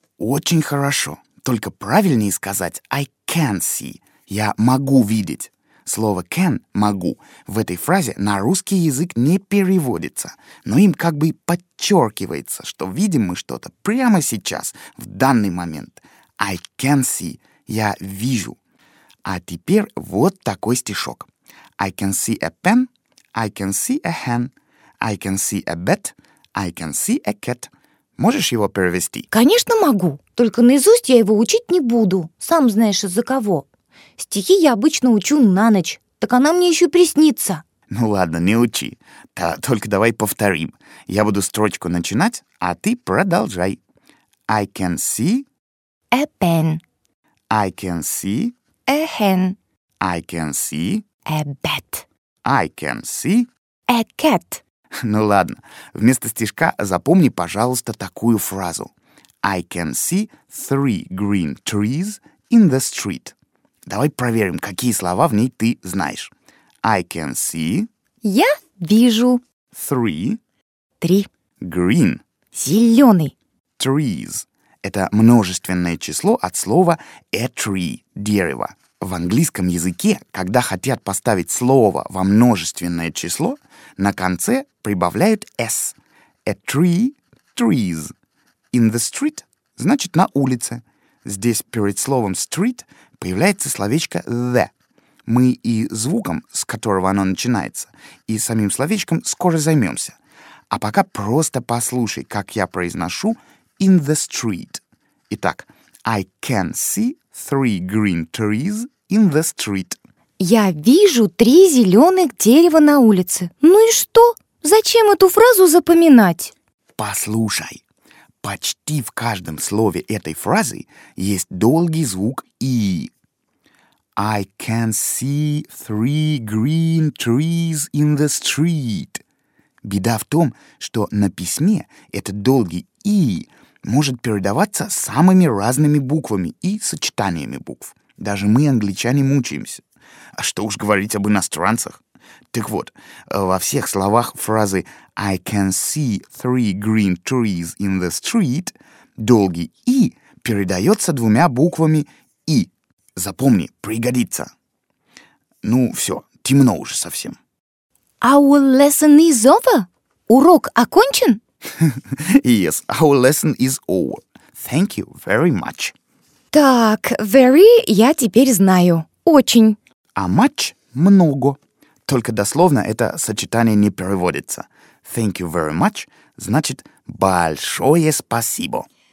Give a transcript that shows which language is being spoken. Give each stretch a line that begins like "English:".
Russian: Очень хорошо. Только правильнее сказать
English: «I can see»
Russian: — «я могу видеть». Слово «can» — «могу» — в этой фразе на русский язык не переводится, но им как бы подчеркивается, что видим мы что-то прямо сейчас, в данный момент.
English: «I can see»
Russian: — «я вижу». А теперь вот такой стишок.
English: «I can see a pen», «I can see a hen», «I can see a bat», «I can see a cat».
Russian: Можешь его перевести? Конечно, могу. Только наизусть я его учить не буду. Сам знаешь, из-за кого. Стихи я обычно учу на ночь. Так она мне еще приснится. Ну ладно, не учи. Только давай повторим. Я буду строчку начинать, а ты продолжай.
English: I can see a pen. I can see a hen. I can see a bat. I can see a cat.
Russian: Ну ладно, вместо стишка запомни, пожалуйста, такую фразу.
English: I can see three green trees in the street.
Russian: Давай проверим, какие слова в ней ты знаешь.
English: I can see...
Russian: Я вижу...
English: Three...
Russian: Три...
English: Green...
Russian: Зеленый...
English: Trees...
Russian: Это множественное число от слова
English: a tree
Russian: – дерево. В английском языке, когда хотят поставить слово во множественное число, на конце прибавляют «s».
English: «A tree» — «trees». «In the street»
Russian: — значит «на улице». Здесь перед словом «street» появляется словечко «the». Мы и звуком, с которого оно начинается, и самим словечком скоро займемся. А пока просто послушай, как я произношу
English: «in the street».
Russian: Итак,
English: «I can see three green trees in the street».
Russian: Я вижу три зеленых дерева на улице. Ну и что? Зачем эту фразу запоминать? Послушай, почти в каждом слове этой фразы есть долгий звук «и».
English: I can see three green trees in the street.
Russian: Беда в том, что на письме этот долгий «и» может передаваться самыми разными буквами и сочетаниями букв. Даже мы, англичане, мучаемся. А что уж говорить об иностранцах. Так вот, во всех словах фразы
English: «I can see three green trees in the street»
Russian: долгий «и» передается двумя буквами «и». Запомни, пригодится. Ну, все, темно уже совсем.
English: Our lesson is over.
Russian: Урок окончен?
English: Yes, our lesson is over. Thank you very much.
Russian: Так, very я теперь знаю. Очень. А much — много. Только дословно это сочетание не переводится.
English: Thank you very much
Russian: значит большое спасибо.